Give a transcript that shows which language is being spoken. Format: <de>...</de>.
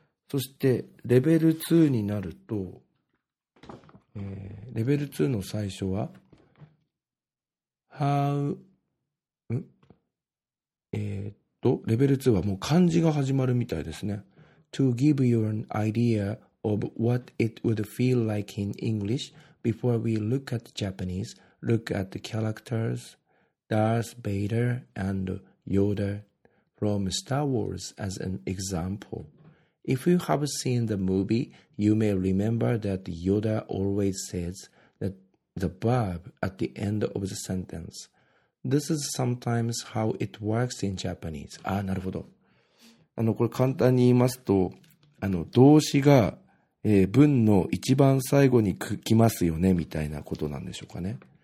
<ja>そしてレベル2になると、レベル2の最初は How、レベル2はもう漢字が始まるみたいですね。</ja> <en>To give you an idea of what it would feel like in English before we look at Japanese, look at the characters Darth Vader and Yoda from Star Wars as an example. If you have seen the movie, you may remember that Yoda always says that the verb at the end of the sentence. This is sometimes how it works in Japanese.</en> <ja>あ、なるほど。これ簡単に言いますと、動詞が、文の一番最後に来ますよね、みたいなことなんでしょうかね。</ja>